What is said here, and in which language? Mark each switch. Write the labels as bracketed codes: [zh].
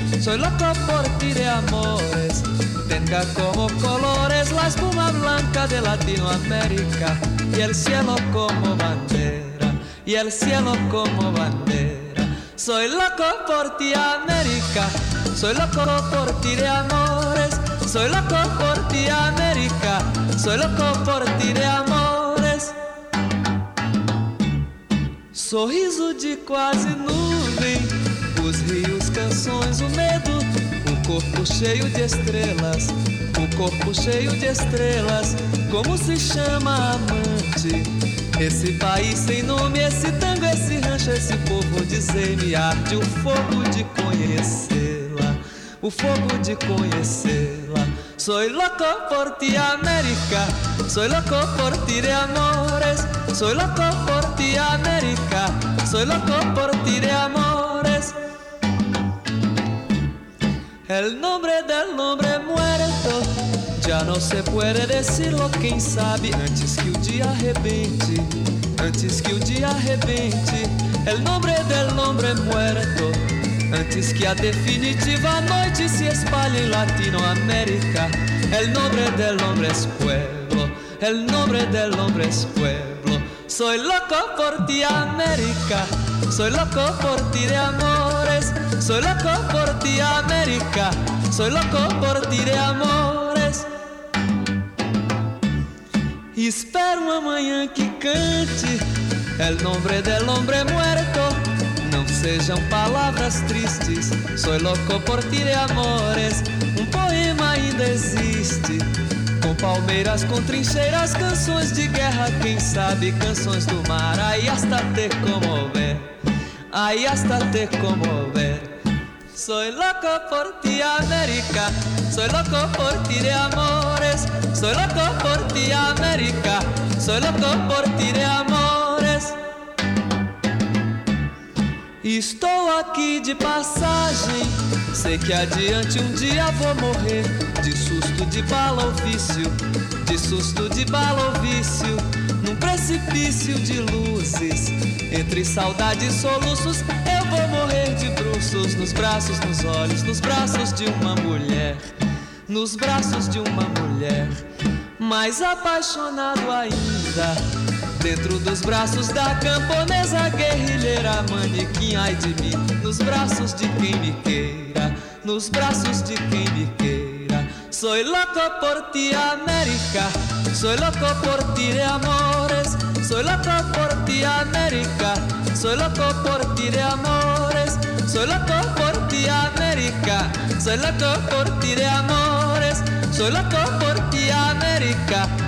[es] Soy loco por ti de amores, tenga como colores la espuma blanca de Latinoamérica y el cielo como bandera, y el cielo como bandera. Soy loco por ti, América. Soy loco por ti de amores. Soy loco por ti, América. Soy loco por ti de amores. [pt] Sorriso de quase nuvem, os rios, canções, o medo, um corpo cheio de estrelas, um corpo cheio de estrelas. Como se chama amante? Esse país sem nome, esse tango, esse rancho, esse povo dizer me arde o fogo de conhecê-la, o fogo de conhecê-la. [es] Soy loco por ti, América. Soy loco por ti de amores. Soy loco por ti, América. Soy loco por ti de amores. El nombre del hombre muerto, ya no se puede decirlo, quien sabe, antes que el día arrebente, antes que el día arrebente. El nombre del hombre muerto, [pt] antes que a definitiva noite se espalhe em Latinoamérica. [es] El nombre del hombre es pueblo, el nombre del hombre es pueblo. Soy loco por ti, América. Soy loco por ti de amores. Soy loco por ti, América. Soy loco por ti de amores. [pt] Espero uma manhã que cante [es] el nombre del hombre muerto. [pt] Sejam palavras tristes. [es] Soy loco por ti de amores. [pt] Um poema ainda existe, com palmeiras, com trincheiras, canções de guerra, quem sabe, canções do mar. Aí hasta te comover, aí hasta te comover. [es] Soy loco por ti, América. Soy loco por ti de amores. Soy loco por ti, América. Soy loco por ti de amores. [pt] Estou aqui de passagem, sei que adiante um dia vou morrer, de susto de bala ou vício, de susto de bala ou vício, num precipício de luzes, entre saudade e soluços, eu vou morrer de bruços, nos braços, nos olhos, nos braços de uma mulher, nos braços de uma mulher, mais apaixonado ainda. Dentro dos braços da camponesa guerrilheira, manequim, ai de mim, nos braços de quem me queira, nos braços de quem me queira. [es] Soy loco por ti, América. Soy loco por ti de amores. Soy loco por ti, América. Soy loco por ti de amores. Soy loco por ti, América. Soy loco por ti de amores. Soy loco por ti, América.